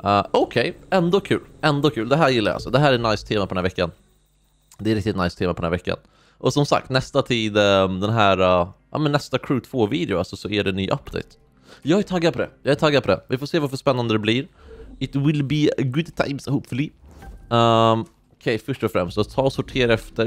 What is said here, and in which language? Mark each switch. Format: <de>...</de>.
<sv>Okej, ändå kul. Ändå kul. Det här gillar jag alltså. Det här är nice tema på den här veckan. Det är riktigt nice tema på den här veckan. Och som sagt, nästa tid den här nästa crew 2 video alltså, så är det en ny update. Jag är taggad på det. Vi får se vad för spännande det blir.</sv> <en>It will be good times hopefully.</en> <sv>Okej, först och främst så ta och sortera efter.</sv>